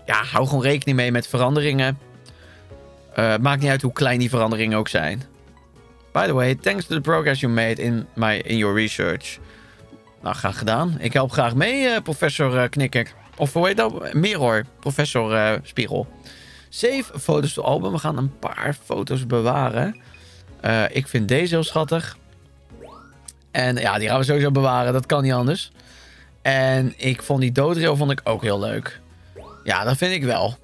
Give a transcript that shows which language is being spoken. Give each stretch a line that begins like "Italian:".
Dutch: hou gewoon rekening mee met veranderingen. Maakt niet uit hoe klein die veranderingen ook zijn.
English: By the way, thanks to the progress you made in your research.
Dutch: Nou, graag gedaan. Ik help graag mee, professor Knikker. Of hoe heet dat? Mirror, professor Spiegel. Save foto's to album. We gaan een paar foto's bewaren. Ik vind deze heel schattig. En ja, die gaan we sowieso bewaren. Dat kan niet anders. En ik vond die doodrail vond ik ook heel leuk. Ja, dat vind ik wel.